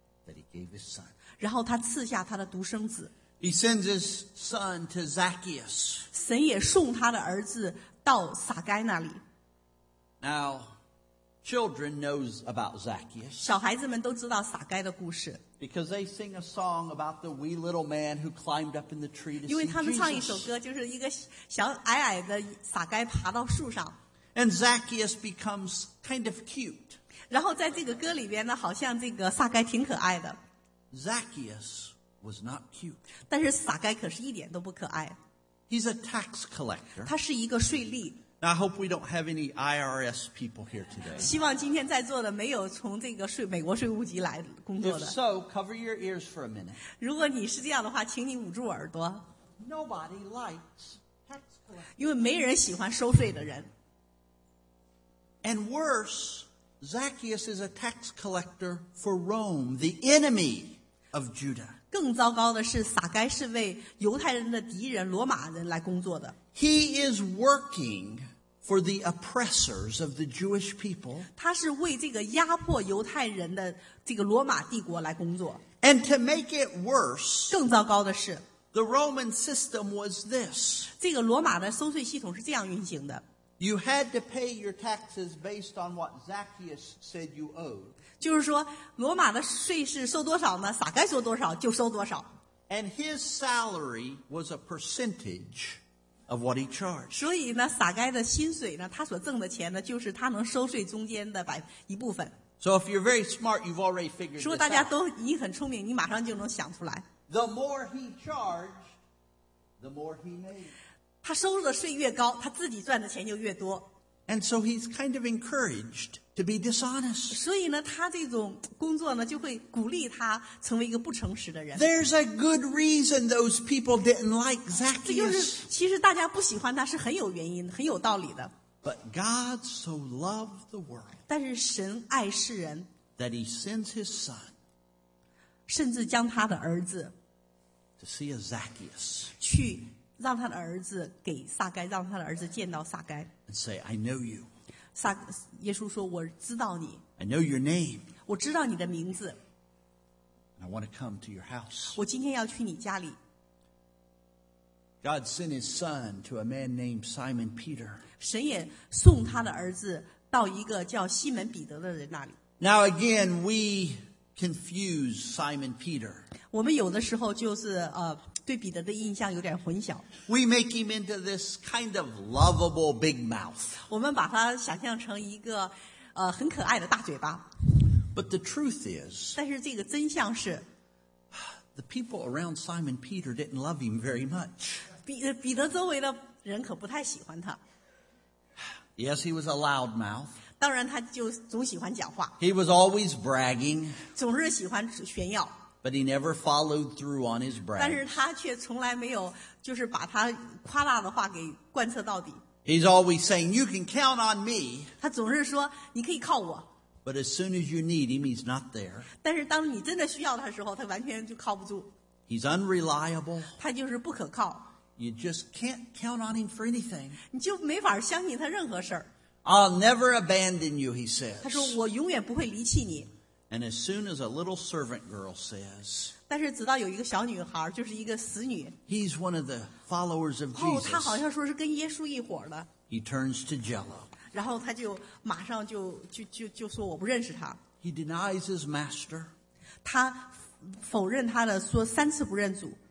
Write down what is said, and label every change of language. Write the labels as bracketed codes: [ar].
[en] That he gave his son. [zh] 然后他赐下他的独生子。 [en] He sends his son to Zacchaeus. [zh] 神也送他的儿子到撒该那里。 [en] Now, children know about Zacchaeus. [zh] 小孩子们都知道撒该的故事。 [en] Because they sing a song about the wee little man who climbed up in the tree to see Jesus. [zh] 因为他们唱一首歌，就是一个小矮矮的撒该爬到树上。 [en] And Zacchaeus becomes kind of cute. [zh] 然后在这个歌里边呢，好像这个撒该挺可爱的。 [en] Zacchaeus was not cute. [zh] 但是撒该可是一点都不可爱。 [en] He's a tax collector. [zh] 他是一个税吏。 [en] Now I hope we don't have any IRS people here today. [zh] 希望今天在座的没有从这个美国税务局来工作的。 [en] If so, cover your ears for a minute. [zh] 如果你是这样的话，请你捂住耳朵。 [en] Nobody likes tax collectors. [zh] 因为没人喜欢收税的人。 [en] And worse, Zacchaeus is a tax collector for Rome, the enemy of Judah. [zh] 更糟糕的是，撒该是为犹太人的敌人罗马人来工作的。 [en] He is working for the oppressors of the Jewish people. [zh] 他是为这个压迫犹太人的这个罗马帝国来工作。 [en] And to make it worse, [zh] 更糟糕的是 [en] the Roman system was this. [zh] 这个罗马的收税系统是这样运行的。 [en] You had to pay your taxes based on what Zacchaeus said you owed. [zh] 就是说，罗马的税是收多少呢？撒该收多少就收多少。 [en] And his salary was a percentage of what he charged. [zh] 所以呢，撒该的薪水呢，他所挣的钱呢，就是他能收税中间的一部分。 [en] So if you're very smart, you've already figured. [zh] 如果大家都你很聪明，你马上就能想出来。 [en] The more he charged, the more he made. [zh] 他收入的税越高他自己赚的钱就越多。 [en] And so he's kind of encouraged to be dishonest. [zh] 所以呢他这种工作呢就会鼓励他成为一个不诚实的人。 [en] There's a good reason those people didn't like Zacchaeus. [zh] 这就是其实大家不喜欢他是很有原因很有道理的。 [en] But God so loved the world. [zh] 但是神爱世人。 [en] That he sends his son. [zh] 甚至将他的儿子。 [en] To see a Zacchaeus. [zh] 去让他的儿子给撒该让他的儿子见到撒该 [en] And say I know you [zh] 耶稣说我知道你 [en] I know your name [zh] 我知道你的名字 [en] And I want to come to your house [zh] 我今天要去你家里 [en] God sent his son to a man named Simon Peter [zh] 神也送他的儿子到一个叫西门彼得的人那里 [en] Now again, we confuse Simon Peter. [zh] 我们有的时候就是对彼得的印象有点混淆。 [en] We make him into this kind of lovable big mouth. [zh] 我们把他想象成一个很可爱的大嘴巴。 [en] But the truth is, [zh] 但是这个真相是 [en] the people around Simon Peter didn't love him very much. [zh] 彼得周围的人可不太喜欢他。 [en] Yes, he was a loud mouth. [zh] 当然他就总喜欢讲话。 [en] He was always bragging. [zh] 总是喜欢炫耀。 [en] But he never followed through on his brag. [zh] 但是他却从来没有就是把他夸大的话给贯彻到底。 [en] He's always saying, you can count on me. [zh] 他总是说你可以靠我。 [en] But as soon as you need him, he's not there. [zh] 但是当你真的需要他的时候他完全就靠不住。 [en] He's unreliable. [zh] 他就是不可靠。 [en] You just can't count on him for anything. [zh] 你就没法相信他任何事儿。 [en] I'll never abandon you, he says. [zh] 他说我永远不会离弃你。 [en] And as soon as a little servant girl says, [zh] 但是直到有一个小女孩，就是一个死女。 [en] He's one of the followers of Jesus. [zh] 她好像说是跟耶稣一伙的。 [en] He turns to Jello. [zh] 然后她就马上就说我不认识她。 [en] He denies his master. [zh] 她否认她的说三次不认主。